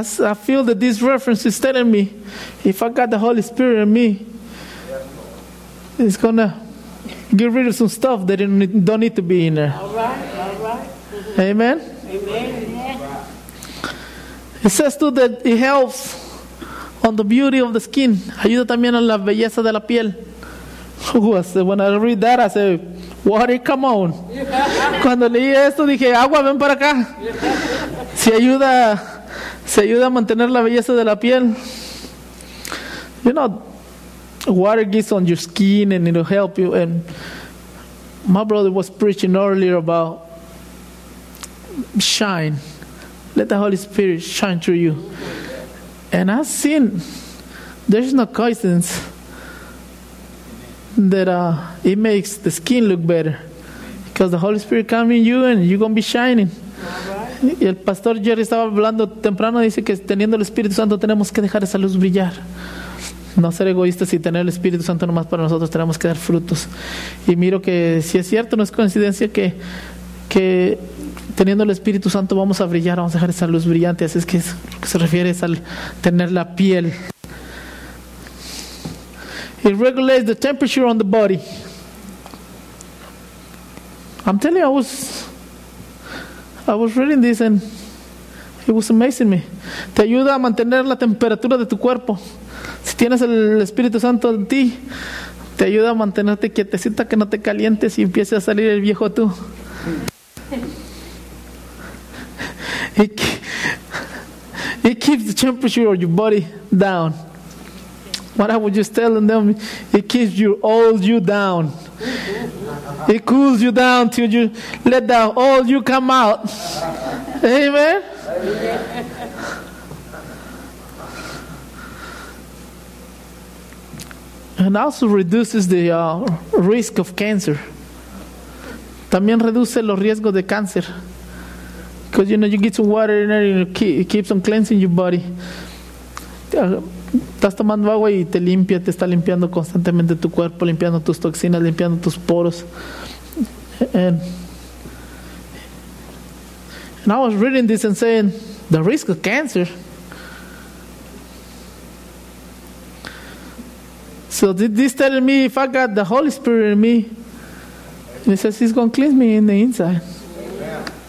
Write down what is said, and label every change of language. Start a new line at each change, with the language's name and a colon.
English: I feel that this reference is telling me, if I got the Holy Spirit in me, it's gonna get rid of some stuff that don't need to be in there. All right. Amen. Amen. It says too that it helps on the beauty of the skin.
Spanish: Ayuda también a la belleza de la piel.
English: When I read that, I say, water, come on.
Spanish: Cuando leí esto, dije, agua, ven para acá. Se ayuda a mantener la belleza de la piel.
English: You know, water gets on your skin and it'll help you. And my brother was preaching earlier about shine. Let the Holy Spirit shine through you. And I've seen, there's no coincidence that it makes the skin look better. Because the Holy Spirit comes in you and you're going to be shining.
Spanish: Y el pastor Jerry estaba hablando temprano, dice que teniendo el Espíritu Santo tenemos que dejar esa luz brillar. No ser egoístas y tener el Espíritu Santo nomás para nosotros, tenemos que dar frutos. Y miro que si es cierto, no es coincidencia que teniendo el Espíritu Santo vamos a brillar, vamos a dejar esa luz brillante. Así es que se refiere es al tener la piel.
English: It regulates the temperature on the body. I'm telling you, I was reading this and it was amazing me.
Spanish: Te ayuda a mantener la temperatura de tu cuerpo. Si tienes el Espíritu Santo en ti, te ayuda a mantenerte quietecita, que no te calientes y empiece a salir el viejo tú.
English: It keeps the temperature of your body down. What I was just telling them, it keeps your old you down. It cools you down till you let the old you come out. Amen. And also reduces the risk of cancer.
Spanish: También reduce los riesgos de cáncer.
English: Because you know, you get some water in there and it keeps on cleansing your body.
Spanish: Estás tomando agua y te limpia, te está limpiando constantemente tu cuerpo, limpiando tus toxinas, limpiando tus poros.
English: And I was reading this and saying, the risk of cancer. So this telling me, if I got the Holy Spirit in me, it says he's going to cleanse me in the inside. Yeah.